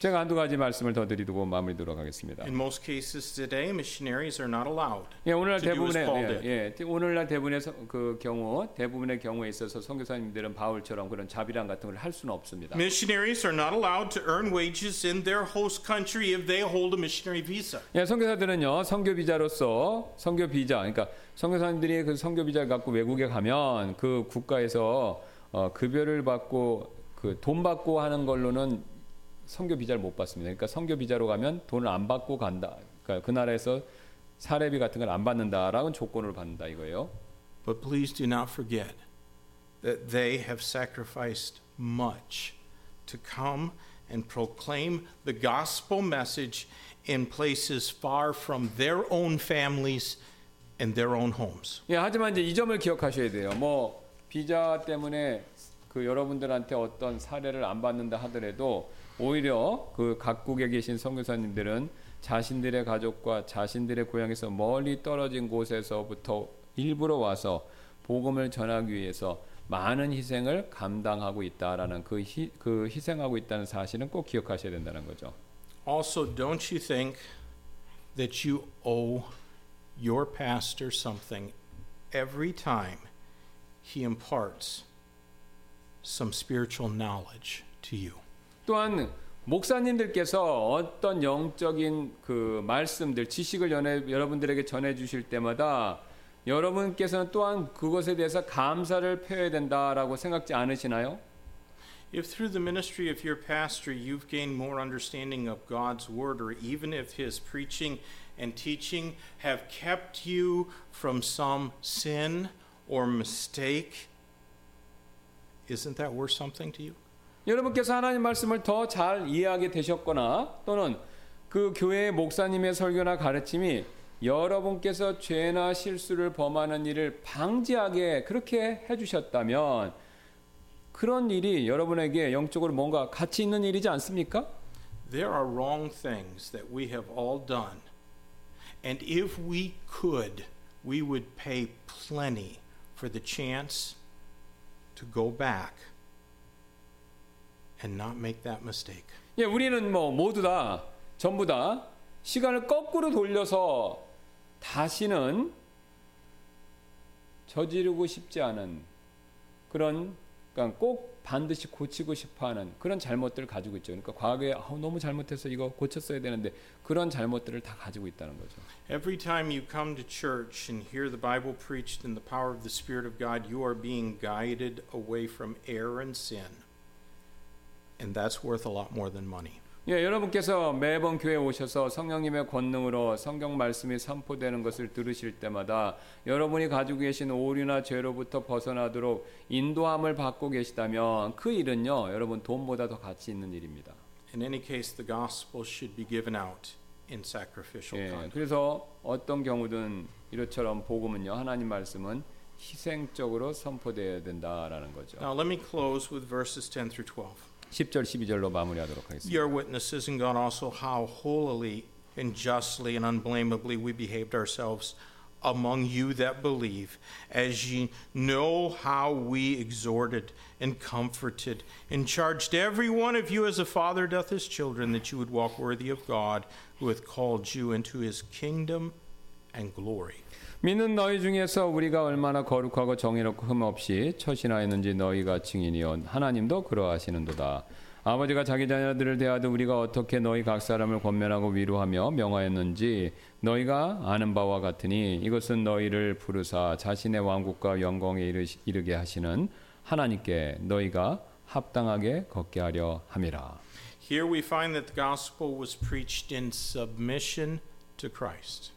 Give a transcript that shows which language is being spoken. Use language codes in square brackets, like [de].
[ko] 제가 한두 가지 말씀을 더 드리고 마무리 들어가겠습니다. [en] In most cases today, missionaries are not allowed. [ko] 예, 오늘날 대부분의 오늘날 대부분의 그 경우 대부분의 경우에 있어서 선교사님들은 바울처럼 그런 자비량 같은 걸 할 수는 없습니다. [en] Missionaries are not allowed to earn wages in their host country if they hold a missionary visa. [ko] 예, 선교사들은요 선교 비자로서 선교 비자 그러니까 선교사님들이 그 선교 비자를 갖고 외국에 가면 그 국가에서 급여를 받고 그 돈 받고 하는 걸로는 선교 비자를 못 받습니다. 그러니까 선교 비자로 가면 돈을 안 받고 간다. 그러니까 그 나라에서 사례비 같은 걸 안 받는다라는 조건으로 받는다 이거예요. [en] But please do not forget that they have sacrificed much to come and proclaim the gospel message in places far from their own families and their own homes. [ko] 예, 하지만 이제 이 점을 기억하셔야 돼요. 뭐 비자 때문에 그 여러분들한테 어떤 사례를 안 받는다 하더라도 오히려 그 각국에 계신 선교사님들은 자신들의 가족과 자신들의 고향에서 멀리 떨어진 곳에서부터 일부러 와서 복음을 전하기 위해서 많은 희생을 감당하고 있다라는 그 희생하고 있다는 사실은 꼭 기억하셔야 된다는 거죠. [en] Also, don't you think that you owe your pastor something every time he imparts some spiritual knowledge to you. [ko] 또한 목사님들께서 어떤 영적인 그 말씀들 지식을 여러분들에게 전해 주실 때마다 여러분께서는 또한 그것에 대해서 감사를 표해야 된다라고 생각지 않으시나요? [en] If through the ministry of your pastor you've gained more understanding of God's word or even if his preaching and teaching have kept you from some sin or mistake, isn't that worth something to you? [ko] 여러분께서 하나님 말씀을 더 잘 이해하게 되셨거나 또는 그 교회의 목사님의 설교나 가르침이 여러분께서 죄나 실수를 범하는 일을 방지하게 그렇게 해주셨다면 그런 일이 여러분에게 영적으로 뭔가 가치 있는 일이지 않습니까? [en] There are wrong things that we have all done, and if we could, we would pay plenty for the chance to go back and not make that mistake. [ko] 예, 우리는 뭐 모두 다 전부 다 시간을 거꾸로 돌려서 다시는 저지르고 싶지 않은 그런 그러니까 꼭 반드시 고치고 싶어하는 그런 잘못들을 가지고 있죠. 그러니까 과거에 너무 잘못해서 이거 고쳤어야 되는데 그런 잘못들을 다 가지고 있다는 거죠. [en] Every time you come to church and hear the Bible preached in the power of the Spirit of God, you are being guided away from error and sin, and that's worth a lot more than money. [ko] 예, 여러분께서 매번 교회 오셔서 성령님의 권능으로 성경 말씀이 선포되는 것을 들으실 때마다 여러분이 가지고 계신 오류나 죄로부터 벗어나도록 인도함을 받고 계시다면 그 일은요, 여러분 돈보다 더 가치 있는 일입니다. [en] In any case, the gospel should be given out in sacrificial kind. [ko] 예, 그래서 어떤 경우든 이처럼 복음은요, 하나님 말씀은 희생적으로 선포되어야 된다라는 거죠. [en] Now let me close with verses 10 through 12. [ko] 10절 12절로 마무리하도록 하겠습니다. [en] Your witnesses and God also how holily and justly and unblameably we behaved ourselves among you that believe, as ye know how we exhorted and comforted and charged every one of you as a father doth his children, that you would walk worthy of God who hath called you into his kingdom and glory. [ko] 믿는 너희 중에서 우리가 얼마나 거룩하고 정의롭고 흠없이 처신하였는지 너희가 증인이여 하나님도 그러하시는도다. 아버지가 자기 자녀들을 대하듯 우리가 어떻게 너희 각 사람을 권면하고 위로하며 명하였는지 너희가 아는 바와 같으니 이것은 너희를 부르사 자신의 왕국과 영광에 이르게 하시는 하나님께 너희가 합당하게 걷게 하려 함이라. [en] Here we find that the gospel was preached in submission to Christ.